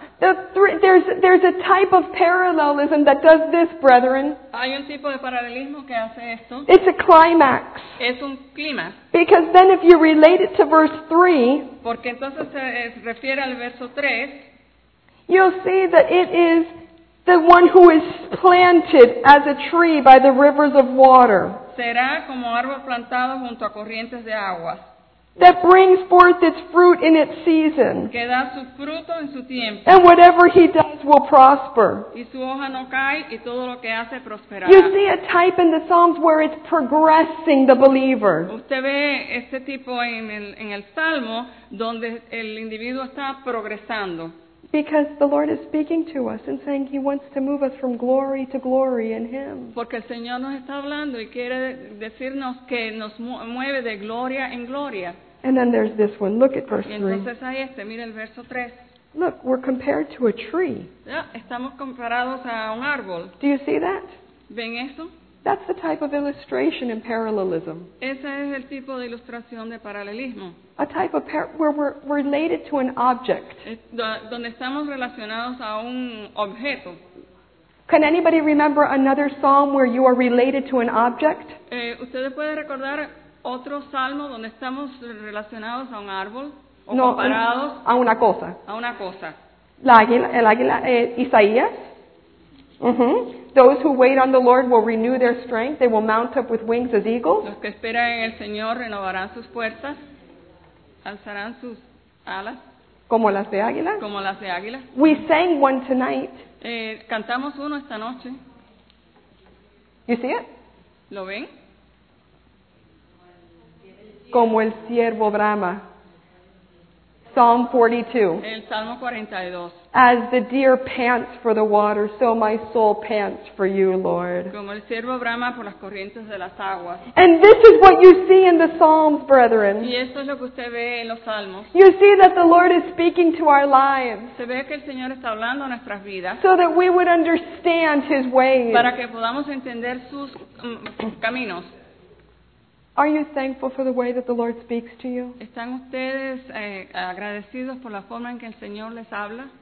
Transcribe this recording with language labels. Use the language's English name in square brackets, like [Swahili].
[English] There's a type of parallelism that does this, brethren. [Spanish] Hay un tipo de paralelismo que hace esto. [English] It's a climax. [Spanish] Es un climax. [English] Because then if you relate it to verse 3, [Spanish] porque entonces se refiere al verso 3, [English] you'll see that it is the one who is planted as a tree by the rivers of water. [Spanish] Será como árbol plantado junto a corrientes de agua. [English] That brings forth its fruit in its season. [Spanish] Que da su fruto en su tiempo. [English] And whatever he does will prosper. [Spanish] Y su hoja no cae, y todo lo que hace prosperará. [English] You see a type in the Psalms where it's progressing the believer. [Spanish] Usted ve este tipo en el Salmo donde el individuo está progresando. [English] Because the Lord is speaking to us and saying he wants to move us from glory to glory in him. [Spanish] Porque el Señor nos está hablando y quiere decirnos que nos mueve de gloria en gloria. [English] And then there's this one. Look at verse 3. [Spanish] Y entonces hay este. Mira el verso 3. [English] Look, we're compared to a tree. [Spanish] Estamos comparados a un árbol. [English] Do you see that? [Spanish] ¿Ven eso? [English] That's the type of illustration in parallelism. [Spanish] Ese es el tipo de ilustración de paralelismo. [English] A type of where we're related to an object. [Spanish] Donde estamos relacionados a un objeto. [English] Can anybody remember another psalm where you are related to an object? [Spanish] ¿Ustedes pueden recordar otro salmo donde estamos relacionados a un árbol o no, comparados a una cosa? A una cosa. El águila, Isaías. Mm-hmm. [English] Those who wait on the Lord will renew their strength. They will mount up with wings as eagles. [Spanish] Los que esperan en el Señor renovarán sus fuerzas. Alzarán sus alas. Como las de águilas. Como las de águilas. [English] We sang one tonight. [Spanish] Cantamos uno esta noche. [English] You see it? [Spanish] ¿Lo ven? Como el ciervo brama. [English] Psalm 42. [Spanish] El Salmo 42. [English] As the deer pants for the water, so my soul pants for you, Lord. [Spanish] Como el ciervo brama por las corrientes de las aguas. [English] And this is what you see in the Psalms, brethren. [Spanish] Y esto es lo que usted ve en los Salmos. [English] You see that the Lord is speaking to our lives. [Spanish] Se ve que el Señor está hablando a nuestras vidas. [English] So that we would understand His ways. [Spanish] Para que podamos entender sus caminos. [English] Are you thankful for the way that the Lord speaks to you? [Spanish] ¿Están ustedes agradecidos por la forma en que el Señor les habla?